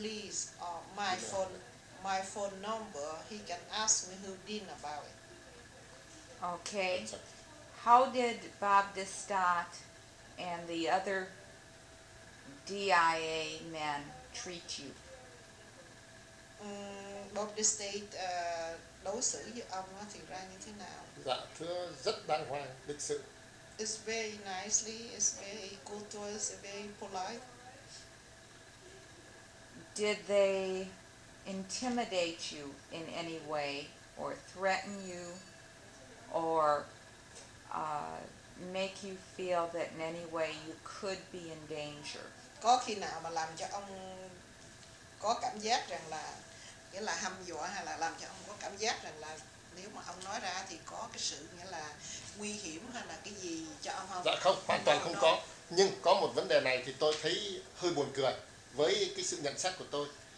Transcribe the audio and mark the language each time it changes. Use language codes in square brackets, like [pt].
[en] Lee's my phone number, he can ask me who did about it. Okay. How did Bob Destat and the other DIA men treat you? [vi] Bob Destat đối xử với ông thì ra như thế nào? Dạ, thưa, rất đàng hoàng, lịch sự. [en] It's very nicely, it's very courteous, it's very polite. Did they intimidate you in any way, or threaten you, or make you feel that in any way you could be in danger? [vi] Có khi nào mà làm cho ông có cảm giác rằng là nghĩa là hăm dọa, hay là làm cho ông có cảm giác rằng là nếu mà ông nói ra thì có cái sự nghĩa là nguy hiểm hay là cái gì cho ông không? Dạ không, hoàn toàn không có. Nhưng có một vấn đề này thì tôi thấy hơi buồn cười với cái sự nhận xét của tôi.